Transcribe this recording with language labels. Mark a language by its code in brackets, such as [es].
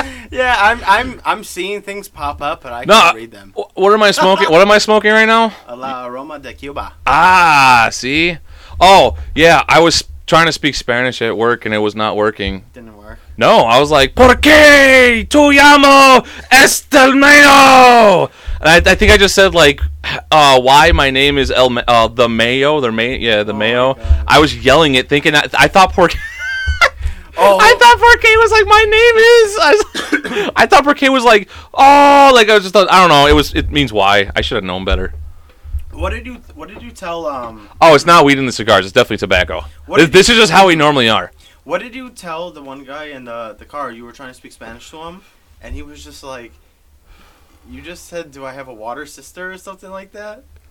[en] Yeah, I'm seeing things pop up, but I can't read them. What am I smoking? What am I smoking right now? La Aroma de Cuba. Ah, see? Oh, yeah, I was... trying to speak Spanish at work, and it was not working. Didn't work. No, I was like, [es] ¿Por qué tú llamo este mayo? [en] And I think I just said, like, why my name is El the mayo. Mayo. I was yelling it, thinking, I thought ¿Por qué? I thought ¿Por qué was, like, my name is. I thought ¿Por qué was, like, oh, like, I was just, I don't know. It means why. I should have known better. What did you tell? Oh, it's not weed in the cigars. It's definitely tobacco. This is just how we normally are. What did you tell the one guy in the car? You were trying to speak Spanish to him, and he was just like, "You just said, do I have a water sister or something like that?"